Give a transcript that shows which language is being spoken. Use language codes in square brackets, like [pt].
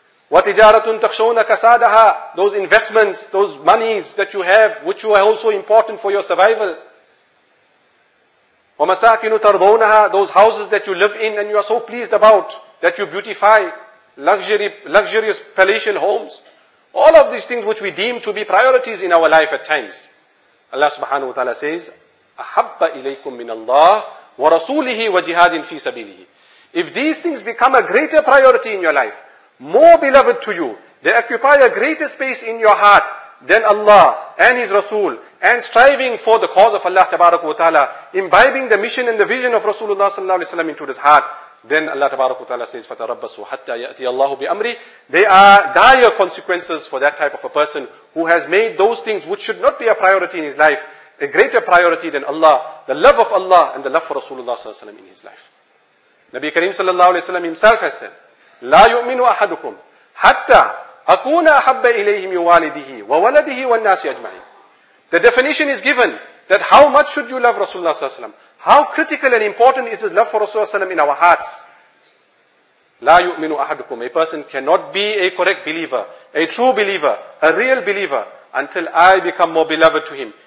[ar] وَتِجَارَةٌ تَخْشَوْنَ كَسَادَهَا, [en] those investments, those monies that you have, which you are also important for your survival. [ar] وَمَسَاكِنُ تَرْضَوْنَهَا, [en] those houses that you live in and you are so pleased about, that you beautify, luxurious palatial homes. All of these things which we deem to be priorities in our life at times. Allah subhanahu wa ta'ala says, [ar] أَحَبَّ إِلَيْكُم مِّنَ اللَّهِ وَرَسُولِهِ وَجِهَادٍ فِي سَبِيلِهِ. [en] If these things become a greater priority in your life, more beloved to you, they occupy a greater space in your heart than Allah and His Rasul, and striving for the cause of Allah tabaraka wa ta'ala, imbibing the mission and the vision of Rasulullah sallallahu alayhi wa sallam into his heart, then Allah tabaraka wa ta'ala says, [ar] فَتَرَبَّصُوا حَتَّى يَأْتِيَ اللَّهُ بِأَمْرِ. [en] They are dire consequences for that type of a person who has made those things which should not be a priority in his life a greater priority than Allah, the love of Allah and the love for Rasulullah sallallahu alaihi wasallam in his life. Nabi Kareem sallallahu alaihi wasallam himself has said, [ar] لا يؤمن أحدكم حتى أكون أحب إليه من والده وولده والناس أجمعين. [en] The definition is given that how much should you love Rasulullah sallallahu alaihi wasallam? How critical and important is his love for Rasulullah sallallahu alaihi wasallam in our hearts? [ar] لا يؤمن أحدكم. [en] A person cannot be a correct believer, a true believer, a real believer, until I become more beloved to him.